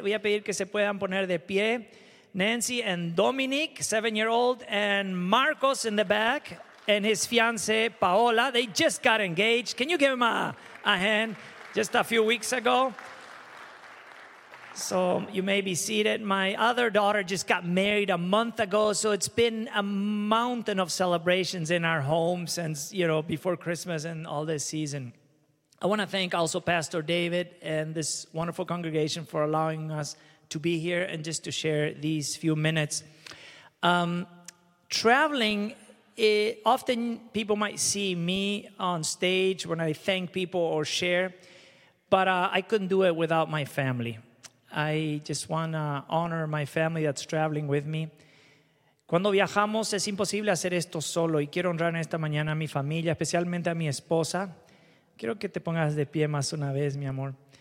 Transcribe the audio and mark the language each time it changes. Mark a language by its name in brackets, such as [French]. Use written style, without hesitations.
[Spanish] Voy a pedir que se puedan poner de pie. [English] Nancy and Dominic, 7-year-old, and Marcos in the back, and his fiance, Paola. They just got engaged. Can you give them a hand just a few weeks ago? So you may be seated. My other daughter just got married a month ago, so it's been a mountain of celebrations in our home since, you know, before Christmas and all this season. I want to thank also Pastor David and this wonderful congregation for allowing us to be here and just to share these few minutes. Traveling, often people might see me on stage when I thank people or share, but I couldn't do it without my family. I just want to honor my family that's traveling with me. [Spanish] Cuando viajamos, es imposible hacer esto solo, y quiero honrar esta mañana a mi familia, especialmente a mi esposa. Quiero que te pongas de pie más una vez, mi amor.